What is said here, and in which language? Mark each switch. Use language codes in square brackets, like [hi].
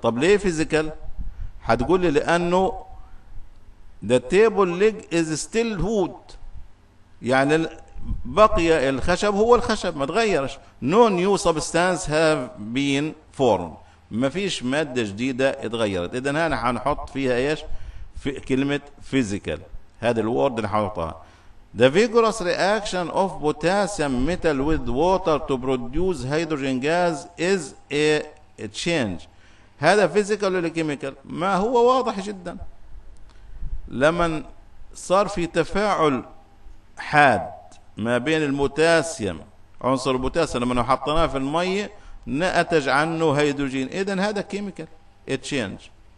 [ar] طب ليه physical؟ حتقول لي لانه [en] the table leg is still wood، [ar] يعني بقي الخشب هو الخشب ما تغيرش. [en] No new substance have been formed، [ar] ما فيش مادة جديدة اتغيرت. اذا هنا حنحط فيها ايش؟ في كلمة physical، هذا الورد اللي حنحطها. [en] The vigorous reaction of potassium metal with water to produce hydrogen gas is a change. [ar] هذا physical ولا chemical؟ ما هو واضح جدا، لما صار في تفاعل حاد ما بين البوتاسيوم، عنصر البوتاسيوم لما حطناه في المية نتج عنه هيدروجين، إذن هذا chemical change.